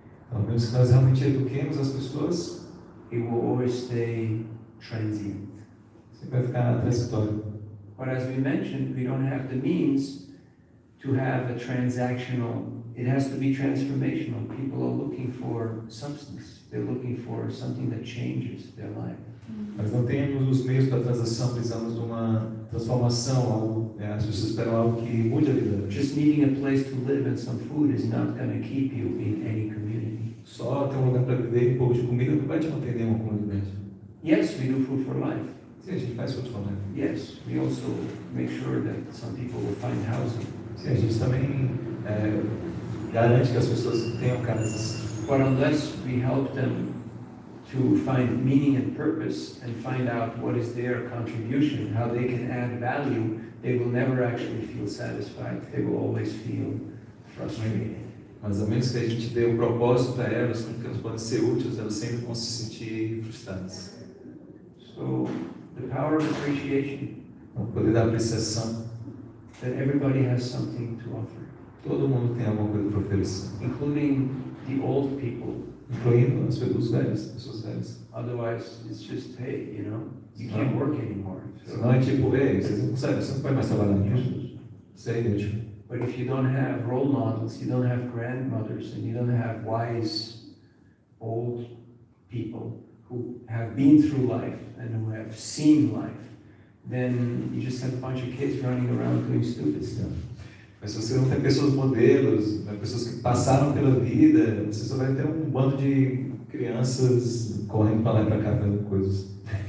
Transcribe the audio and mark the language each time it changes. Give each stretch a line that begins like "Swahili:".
Portuguese: ao menos que nós realmente eduquemos as pessoas,
English: it will always stay transient.
Portuguese: Sempre vai ficar transitório.
English: But as we mentioned, we don't have the means to have a transactional. It has to be transformational. People are looking for substance. They're looking for something that changes their life.
Portuguese: Mas não temos os meios para transação. Precisamos de uma transformação. As pessoas esperam algo que mude a vida.
English: Just needing a place to live and some food is not going to keep you in any community.
Portuguese: Só ter um lugar para viver e um pouco de comida não vai te manter em uma comunidade.
English: Yes, we do food for life.
Portuguese: Sim, a gente faz food for life.
English: Yes, we also make sure that some people will find housing.
Portuguese: Sim, a gente também garante que as pessoas tenham casas.
English: But unless we help them to find meaning and purpose and find out what is their contribution, how they can add value, they will never actually feel satisfied. They will always feel frustrated.
Portuguese: Mas a menos que a gente dê um propósito para elas, como que elas podem ser úteis, elas sempre vão se sentir frustradas.
English: So, the power of appreciation.
Portuguese: O poder da apreciação.
English: That everybody has something to offer.
Portuguese: Todo mundo tem alguma coisa para oferecer.
English: Including the old people.
Portuguese: Incluindo as pessoas velhas.
English: Otherwise, it's just, hey, you know, you can't work anymore.
Portuguese: So, senão é tipo, hey, você não pode mais trabalhar nisso. Isso é inútil.
English: But if you don't have role models, you don't have grandmothers, and you don't have wise old people who have been through life and who have seen life, then you just have a bunch of kids running around doing stupid stuff.
Portuguese: Mas se você não tem pessoas modelos, né, pessoas que passaram pela vida, você só vai ter um bando de crianças correndo para lá e para cá fazendo coisas.